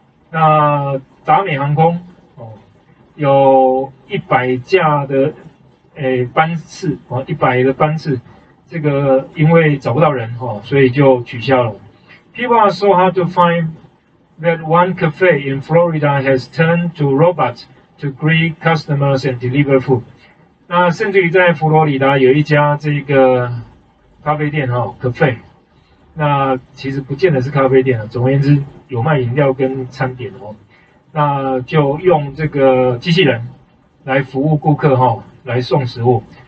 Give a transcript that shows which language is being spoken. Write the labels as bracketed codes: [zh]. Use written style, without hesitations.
[zh] 那达美航空哦，有100架的班次哦，100的班次。这个因为找不到人哈，所以就取消了。 [en] People are so hard to find that one cafe in Florida has turned to robots to greet customers and deliver food。 [zh] 那甚至于在佛罗里达有一家这个咖啡店哈 ，cafe， 那其实不见得是咖啡店了。总而言之，有卖饮料跟餐点哦。那就用这个机器人来服务顾客哈，来送食物。